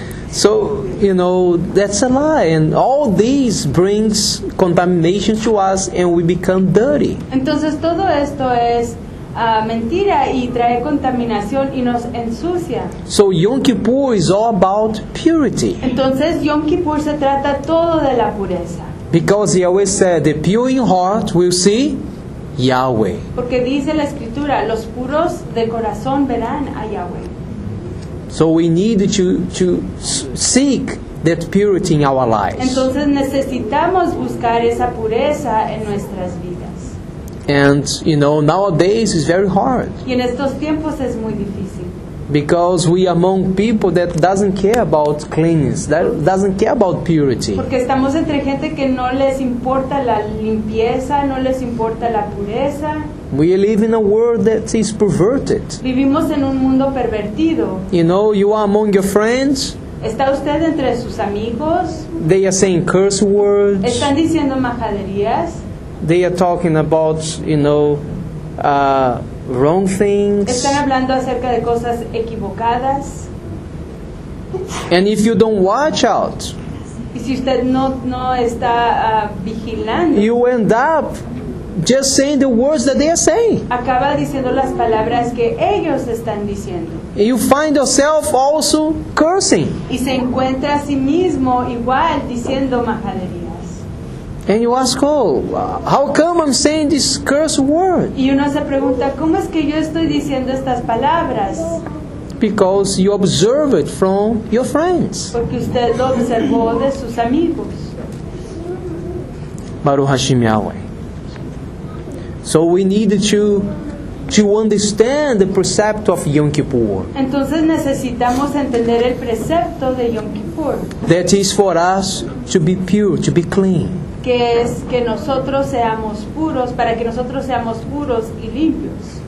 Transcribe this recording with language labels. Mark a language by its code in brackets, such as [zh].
[en] So, you know, that's a lie, and all these brings contamination to us, and we become dirty. [es] Entonces todo esto es mentira y trae contaminación y nos ensucia. [en] So Yom Kippur is all about purity. [es] Entonces Yom Kippur se trata todo de la pureza. [en] Because Yahweh said, the pure in heart will see Yahweh. [es] Porque dice la escritura, los puros de corazón verán a Yahweh. [en] So we need to seek that purity in our lives. [es] Entonces necesitamos buscar esa pureza en nuestras vidas. [en] And you know, nowadays it's very hard. [es] Y en estos tiempos es muy difícil. [en] Because we are among people that doesn't care about cleanliness, that doesn't care about purity. [es] Porque estamos entre gente que no les importa la limpieza, no les importa la pureza. [en] We live in a world that is perverted. [es] Vivimos en un mundo pervertido. [en] You know, you are among your friends. [es] ¿Está usted entre sus amigos? [en] They are saying curse words. [es] ¿Están diciendo majaderías? [en] They are talking about, you know, wrong things. [es] ¿Están hablando acerca de cosas equivocadas? [en] And if you don't watch out, [es] y si usted no está vigilando, [en] you end up just saying the words that they are saying. [es] Acaba diciendo las palabras que ellos están diciendo. [en] And you find yourself also cursing. [es] Y se encuentra a sí mismo igual diciendo majaderías. [en] And you ask, oh, how come I'm saying this curse word? [es] Y uno se pregunta, ¿cómo es que yo estoy diciendo estas palabras? [en] Because you observe it from your friends. [es] Porque usted lo observó de sus amigos. [he] Baruch Hashem Yahweh. [en] So we need to understand the precept of Yom Kippur. [es] Entonces necesitamos entender el precepto de Yom Kippur. [en] That is for us to be pure, to be clean. [es] Que es que nosotros seamos puros, para que nosotros seamos puros y limpios.